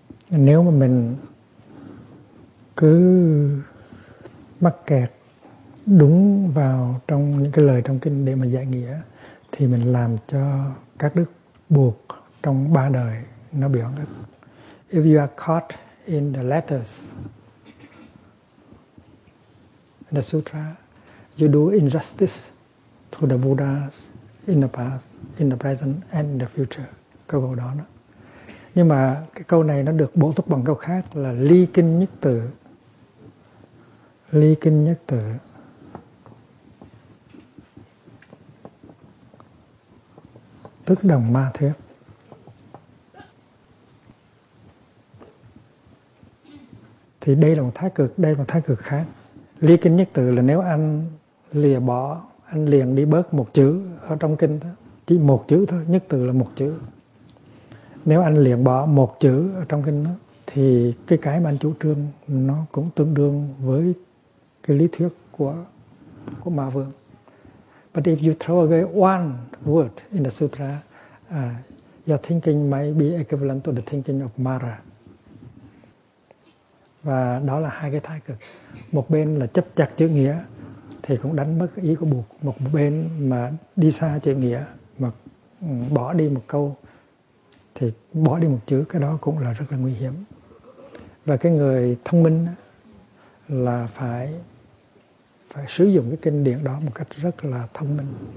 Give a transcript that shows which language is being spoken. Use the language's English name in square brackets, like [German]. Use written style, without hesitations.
[Vietnamese] Nếu mà mình cứ mắc kẹt đúng vào trong những cái lời trong kinh để mà giải nghĩa thì mình làm cho các đức buộc trong ba đời nó bị oan ức. [English] If you are caught in the letters, in the sutra, you do injustice to the Buddhas in the past, in the present and in the future. [Vietnamese] Câu đó đó. Nhưng mà cái câu này nó được bổ túc bằng câu khác là ly kinh nhất tử. Ly kinh nhất tử. Tức đồng ma thuyết. Thì đây là một thái cực, đây là một thái cực khác. Ly kinh nhất tử là nếu anh lìa bỏ, anh liền đi bớt một chữ ở trong kinh đó. Chỉ một chữ thôi, nhất tử là một chữ. Nếu anh liền bỏ một chữ ở trong kinh đó, thì cái mà anh chủ trương nó cũng tương đương với cái lý thuyết của Ma Vương. [English] But if you throw away one word in the sutra, your thinking might be equivalent to the thinking of Mara. [Vietnamese] Và đó là hai cái thái cực. Một bên là chấp chặt chữ nghĩa thì cũng đánh mất ý của Bụt. Một bên mà đi xa chữ nghĩa mà bỏ đi một câu thì bỏ đi một chữ, cái đó cũng là rất là nguy hiểm. Và cái người thông minh là phải sử dụng cái kinh điển đó một cách rất là thông minh.